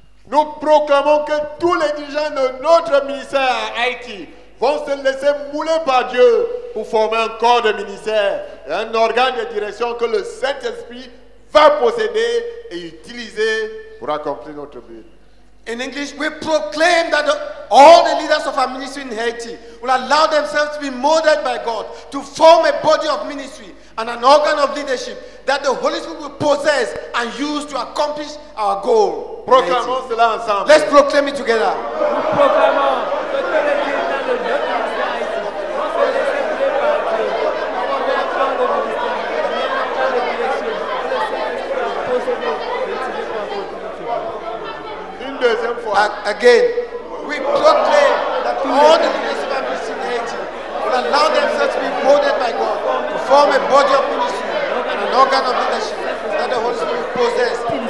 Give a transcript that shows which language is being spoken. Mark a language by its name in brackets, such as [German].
[French] Nous proclamons que tous les dirigeants de notre ministère à Haïti vont se laisser mouler par Dieu pour former un corps de ministère, un organe de direction que le Saint-Esprit va posséder et utiliser pour accomplir notre but. [English] In English, we proclaim that all the leaders of our ministry in Haiti will allow themselves to be molded by God to form a body of ministry and an organ of leadership that the Holy Spirit will possess and use to accomplish our goal. [French] Proclamons cela ensemble. [English] Let's proclaim it together. [French] Nous proclamons que tous les dirigeants de notre ministère Haïti vont se laisser guider par Dieu pour former un corps de ministère, un corps de direction, que le Saint-Esprit va posséder et utiliser pour accomplir. Une deuxième fois. [English] Again, we proclaim that all the leaders of our ministry in Haiti will allow themselves to be molded by God to form a body of ministry and an organ of leadership that the Holy Spirit possesses.